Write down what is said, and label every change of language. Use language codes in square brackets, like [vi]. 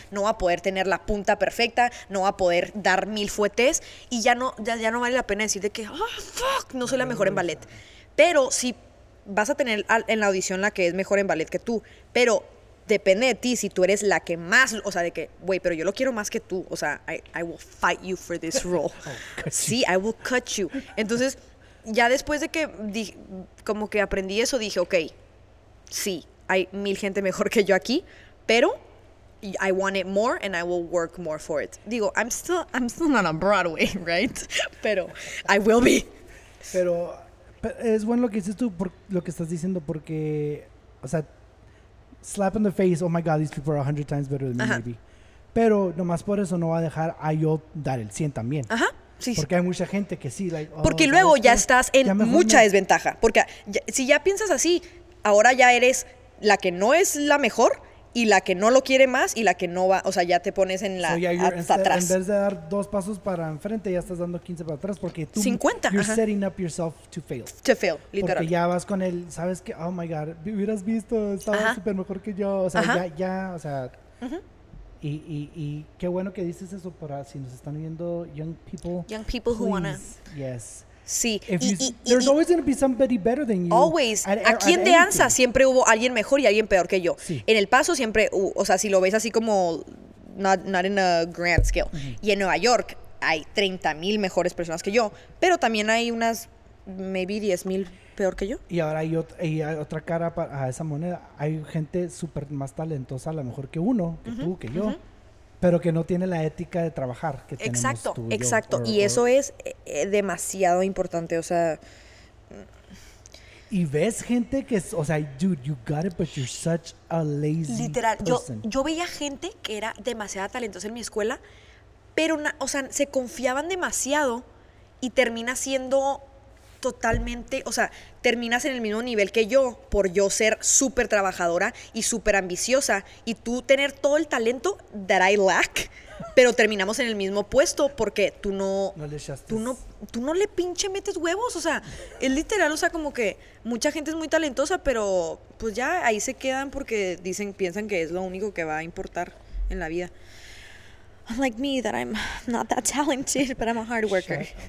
[es] No va a poder tener la punta perfecta, no va a poder dar 1,000 fuetes y ya no vale la pena decirte que, [en] oh, fuck, [es] no soy la mejor en ballet. Pero sí vas a tener en la audición la que es mejor en ballet que tú, pero depende de ti si tú eres la que más, o sea, de que, güey, pero yo lo quiero más que tú. O sea, [en] I will fight you for this role. Sí, I will cut you. [es] Entonces, ya después de que como que aprendí eso, dije, ok, sí, hay mil gente mejor que yo aquí, pero [en] I want it more and I will work more for it. Digo, I'm still not on Broadway, right? [es] Pero [en] I will be. [es] Pero es bueno lo que dices tú, por lo que estás diciendo, porque, o sea, [en] slap in the face, oh my God, these people are 100 times better than me, maybe. [es] Pero nomás por eso no va a dejar a yo dar el 100 también. Ajá. Sí, porque sí. Hay mucha gente que sí. Like, porque luego ya estás en mucha desventaja. Porque ya, si ya piensas así, ahora ya eres la que no es la mejor y la que no lo quiere más y la que no va, o sea, ya te pones en la, hasta atrás. En vez de dar dos pasos para enfrente, ya estás dando 15 para atrás porque tú... 50. [en] You're setting up yourself to fail. To fail, literal. [es] Porque ya vas con él, sabes que, oh my God, me hubieras visto, estaba súper mejor que yo. O sea, ya, o sea... Uh-huh. Y qué bueno que dices eso para si nos están viendo [en] young people please, who wanna yes [es] sí [en] if there's always gonna be somebody better than you always [es] aquí en Deanza siempre hubo alguien mejor y alguien peor que yo sí. En El Paso siempre o sea si lo ves así como [en] not in a grand scale [es] y en Nueva York hay 30,000 mejores personas que yo pero también hay unas [en] maybe [es] 10,000 peor que yo. Y ahora hay otra cara a esa moneda. Hay gente súper más talentosa, a lo mejor que uno, que tú, que yo, pero que no tiene la ética de trabajar que exacto, tenemos tú. Exacto. Y eso es demasiado importante, o sea... Y ves gente que es, o sea, [en] dude, you got it, but you're such a lazy person. [es] Literal, yo veía gente que era demasiado talentosa en mi escuela, pero, o sea, se confiaban demasiado y termina siendo... totalmente, o sea, terminas en el mismo nivel que yo por yo ser súper trabajadora y súper ambiciosa y tú tener todo el talento [en] that I lack, [es] pero terminamos en el mismo puesto porque tú no le pinche metes huevos, o sea, es literal, o sea, como que mucha gente es muy talentosa, pero pues ya ahí se quedan porque dicen, piensan que es lo único que va a importar en la vida. [en] Like me, that I'm not that talented, but I'm a hard worker.